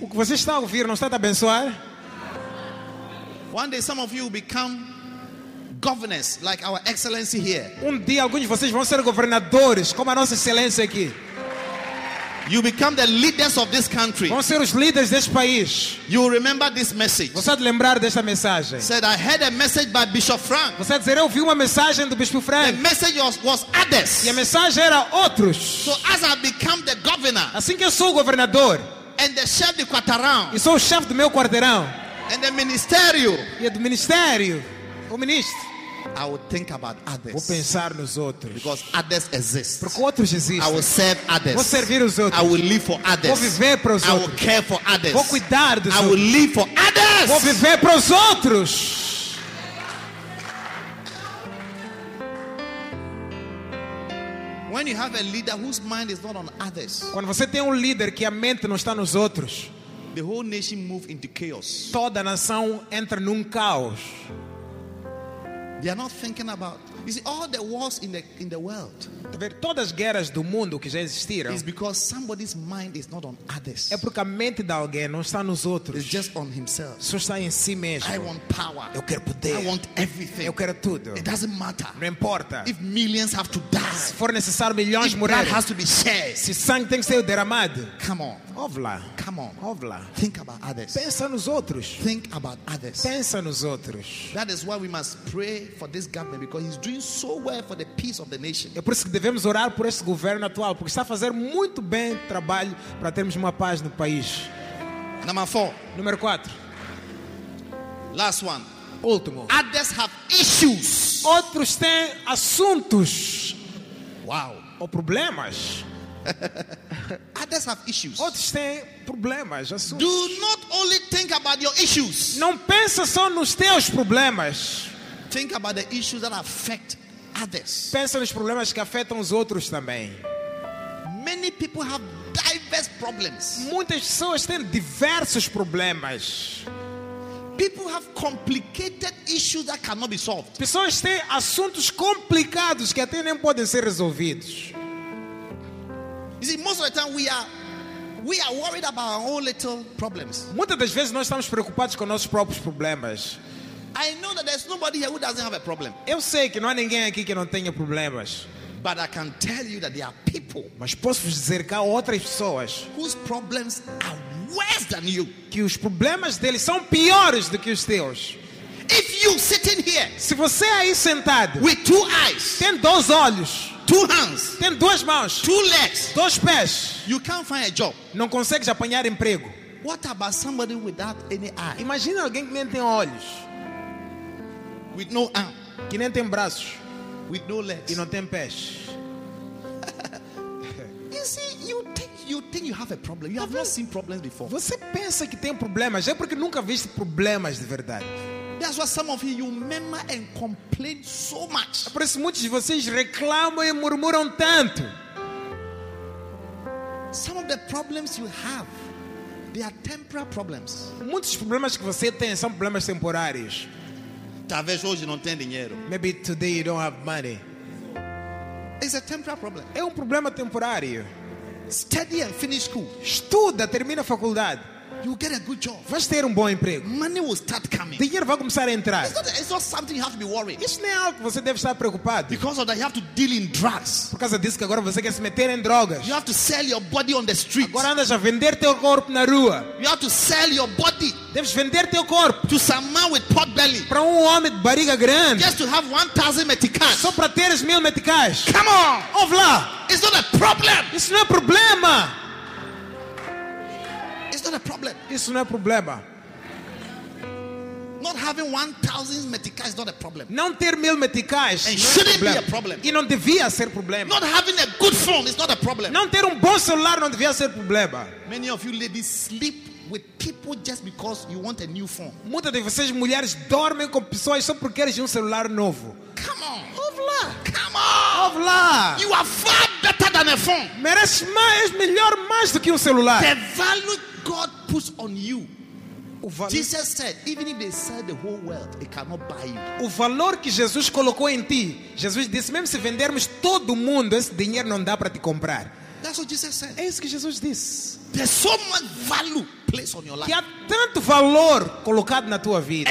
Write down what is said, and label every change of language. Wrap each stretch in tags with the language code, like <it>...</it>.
<pt>O que você está a ouvir não está a abençoar?</pt> <en>One day some of you will become governors like our excellency here.</en> <pt>Dia alguns de vocês vão ser governadores como a nossa excelência aqui.</pt> <en>You become the leaders of this country.</en> <pt>Vão ser os líderes deste país.</pt> <en>You will remember this message.</en> <pt>Você vai lembrar desta mensagem.</pt> <en>Said I heard a message by Bishop Frank.</en> <pt>Você vai dizer eu ouvi mensagem do Bispo Frank.</pt> <en>The message was others.</en> <pt>E a mensagem era outros.</pt> <en>So as I become the governor.</en> <pt>Assim que eu sou o governador.</pt> <en>And the</en> <pt>chef de quarteirão. E sou o chefe do meu quarteirão.</pt> <en>And the ministério.</en> <pt>E é do ministério. O ministro,</pt> <en>I will think about others.</en> <pt>Vou pensar nos outros.</pt> <en>Because others exist.</en> <pt>Porque outros existem.</pt> <en>I will serve others.</en> <pt>Vou servir os outros.</pt> <en>I will live for others.</en> <pt>Vou viver para os</pt> <en>I</en> <pt>outros.</pt> <en>I will care for others.</en> <pt>Vou cuidar dos</pt> <en>I</en> <pt>outros.</pt> <en>I will live for others.</en> <pt>Vou viver para os outros.</pt> <en>When you have a leader whose mind is not on others.</en> <pt>Quando você tem líder que a mente não está nos outros.</pt> <en>The whole nation move into chaos.</en> <pt>Toda a nação entra caos.</pt> <en>They are not thinking about. You see, all the wars in the world.</en> <pt>Todas as guerras do mundo que já existiram.</pt> <en>Is because somebody's mind is not on others.</en> <pt>É porque a mente de alguém não está nos outros.</pt> <en>It's just on himself.</en> <pt>Só está em si mesmo.</pt> <en>I want power.</en> <pt>Eu quero poder.</pt> <en>I want everything.</en> <pt>Eu quero tudo.</pt> <en>It doesn't matter.</en> <pt>Não importa.</pt> <en>If millions have to die.</en> <pt>Se for necessário milhões morrer.</pt> <en>Blood has to be shed.</en> <pt>Se sangue tem que ser derramado.</pt> <en>Come on. Ovla. Come on. Ovla. Think about others.</en> <pt>Pensa nos outros.</pt> <en>Think about others.</en> <pt>Pensa nos outros.</pt> <en>That is why we must pray for this government because he's doing so well for the peace of the nation.</en> <pt>É por isso que devemos orar por este governo atual porque está a fazer muito bem trabalho para termos uma paz no país.</pt> <en>Number 4.</en> <pt>Número 4.</pt> <en>Last one.</en> <pt>Último.</pt> <en>Others have issues.</en> <pt>Outros têm assuntos.</pt> <en>Wow.</en> <pt>Ou problemas.</pt> <en>Others have issues.</en> <pt>Outros têm problemas, assuntos.</pt> <en>Do not only think about your issues.</en> <pt>Não pensa só nos teus problemas.</pt> <en>Think about the issues that affect others.</en> <pt>Pensa nos problemas que afetam os outros também.</pt> <en>Many people have diverse problems.</en> <pt>Muitas pessoas têm diversos problemas.</pt> <en>People have complicated issues that cannot be solved.</en> <pt>Pessoas têm assuntos complicados que até nem podem ser resolvidos.</pt> <en>You see, most of the time we are worried about our own little problems.</en> <pt>Muitas das vezes nós estamos preocupados com nossos próprios problemas.</pt> <en>I know that there's nobody here who doesn't have a problem.</en> <pt>Eu sei que não há ninguém aqui que não tenha problemas.</pt> <en>But I can tell you that there are people.</en> <pt>Mas posso dizer que há outras pessoas</pt> <en>whose problems are worse than you.</en> <pt>Que os problemas deles são piores do que os teus.</pt> <en>If you sitting here,</en> <pt>se você aí sentado,</pt> <en>with two eyes,</en> <pt>tem dois olhos,</pt> <en>two hands,</en> <pt>tem duas mãos,</pt> <en>two legs,</en> <pt>dois pés,</pt> <en>you can't find a job,</en> <pt>não consegue apanhar emprego.</pt> <en>What about somebody without any eye?</en> <pt>Imagina alguém que nem tem olhos,</pt> <en>with no arm,</en> <pt>que nem tem braços,</pt> <en>with no legs,</en> <pt>e não tem pés.</pt> <en>You see, you think you have a problem. You have not seen problems before.</en> <pt>Você pensa que tem problemas, é porque nunca viste problemas de verdade.</pt> <en>That's why some of you murmur and complain so much.</en> <pt>Por isso muitos de vocês reclamam e murmuram tanto.</pt> <en>Some of the problems you have, they are temporary problems.</en> <pt>Muitos problemas que você tem são problemas temporários. Talvez hoje não tenha dinheiro.</pt> <en>Maybe today you don't have money. It's a temporary problem.</en> <pt>É problema temporário.</pt> <en>Study and finish school.</en> <pt>Estuda, termina a faculdade.</pt> <en>You get a good job.</en> <pt>Vais ter bom emprego.</pt> <en>Money will start coming.</en> <pt>Dinheiro vai começar a entrar.</pt> <en>It's not something you have to be worried.</en> <pt>Isso não é algo que você deve estar preocupado.</pt> <en>Because of that, you have to deal in drugs.</en> <pt>Por causa disso que agora você quer se meter em drogas.</pt> <en>You have to sell your body on the street.</en> <pt>Agora andas a vender teu corpo na rua.</pt> <en>You have to sell your body.</en> <pt>Deves vender teu corpo</pt> <en>to some man with pot belly.</en> <pt>Para homem de barriga grande.</pt> <en>Just to have 1,000 meticais.</en> <pt>Só para teres 1,000 meticais.</pt> <en>Come on,</en> <pt>ouve lá.</pt> <en>It's not a problem.</en> <pt>Isso não é problema. Isso não é problema.</pt> <en>Not having 1,000 meticais is not a problem.</en> <pt>Não ter 1,000 meticais não é problema. E não devia ser problema.</pt> <en>Not having a good phone is not a problem.</en> <pt>Não ter bom celular não devia ser problema.</pt> <en>Many of you ladies sleep with people just because you want a new phone.</en> <pt>Muitas de vocês mulheres dormem com pessoas só porque querem celular novo.</pt> <en>Come on,</en> <pt>ouve lá.</pt> <en>Come on,</en> <pt>ouve lá.</pt> <en>You are far better than a phone.</en> <pt>Mereces mais, melhor mais do que celular.</pt> <en>The value God puts on you. Jesus said, even if they sell the whole world, it cannot buy you.</en> <pt>O valor que Jesus colocou em ti. Jesus disse, mesmo se vendermos todo mundo, esse dinheiro não dá para te comprar.</pt> <en>That's what Jesus said.</en> <pt>É isso que Jesus disse.</pt> <en>There's so much value placed on your life.</en> <pt>Que há tanto valor colocado na tua vida.</pt>